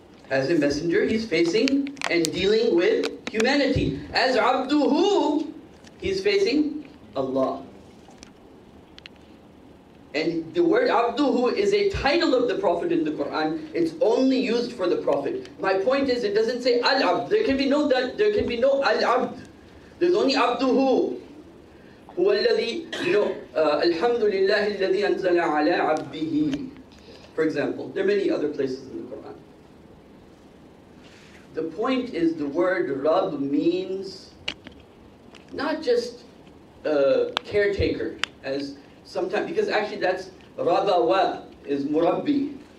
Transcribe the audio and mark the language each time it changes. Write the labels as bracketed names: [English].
[English] As a messenger, he's facing and dealing with humanity. As Abduhu, he's facing Allah. And the word Abduhu is a title of the Prophet in the Quran. It's only used for the Prophet. My point is, it doesn't say Al-Abd. There can be no Al-Abd. There's only Abduhu. [Arabic] هو الذي, الحمد لله الذي أنزل على عبده. [English] For example, there are many other places in the Quran. The point is, the word Rabb means not just caretaker, as sometimes, because actually that's Rabawa is Murabbi.